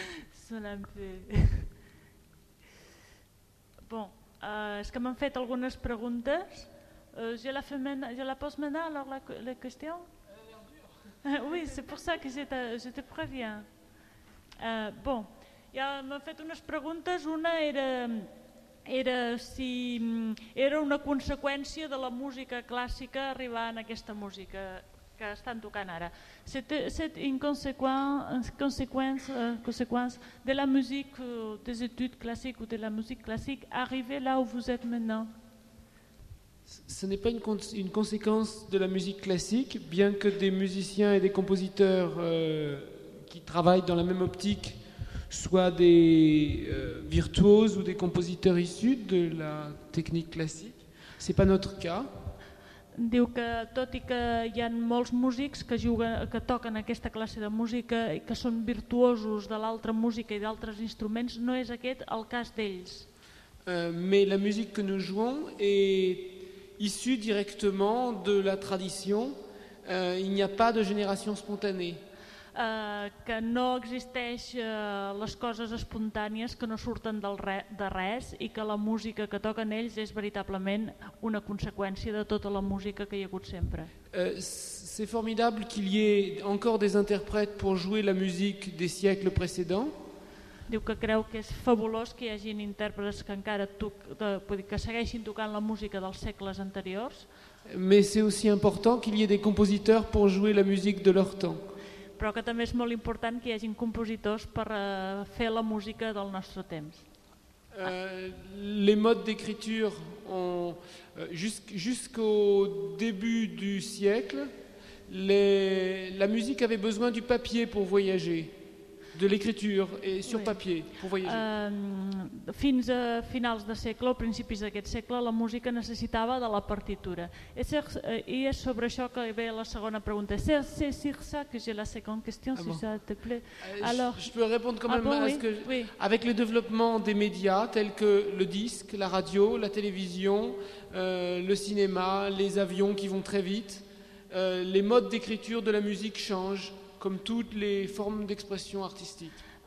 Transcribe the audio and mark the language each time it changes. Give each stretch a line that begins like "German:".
French: C'est un peu. Bon, est-ce que m'en faites algunes preguntes? Je la pose maintenant, alors la question? Oui, c'est pour ça que je te préviens. Bon.
Catalan: Ja m'ha fet unes preguntes. Una era si era una conseqüència de la música clàssica arribar en aquesta música que estan tocant ara.
French: C'est une conséquence de la musique, des études classiques ou de la musique classique arriver là où vous êtes maintenant. Ce n'est pas une conséquence de la musique classique, bien que des musiciens et des compositeurs qui travaillent dans la même optique soit des virtuoses ou des compositeurs issus de la technique classique. C'est pas notre cas.
Catalan: Diu que tot i que hi ha molts músics que juguen, que toquen aquesta classe de música i que són virtuosos de l'altra música i d'altres instruments, no és aquest el cas d'ells.
French: Mais la musique que nous jouons est issue directement de la tradition. Il n'y a pas de génération spontanée.
Catalan: Que no existeix les coses espontànies que no surten de res i que la música que toquen ells és veritablement una conseqüència de tota la música que hi ha hagut sempre.
French: C'est formidable qu'il y ait encore des interprètes pour jouer la musique des siècles précédents.
Catalan: Diu que creu que és fabulós que hi hagin intèrprets que encara que segueixin tocant la música dels segles anteriors.
French: Mais c'est aussi important qu'il y ait des compositeurs pour jouer la musique de leur temps.
Catalan: Però que també és molt important que hi hagin compositors per fer la música del nostre temps.
French: Les modes d'écriture ont jusqu'au début du siècle, la musique avait besoin du papier pour voyager, de l'écriture et sur papier pour voyager.
Catalan: Fins a finals de segle o principis d'aquest segle, la música necessitava de la partitura. I és sobre això que ve la segona pregunta.
French: C'est sur ça que j'ai la seconde question, si ça te plaît. Alors, je peux répondre quand même oui. Avec le développement des médias tels que le disque, la radio, la télévision, le cinéma, les avions qui vont très vite, les modes d'écriture de la musique changent, comme toutes les formes d'expression artistique.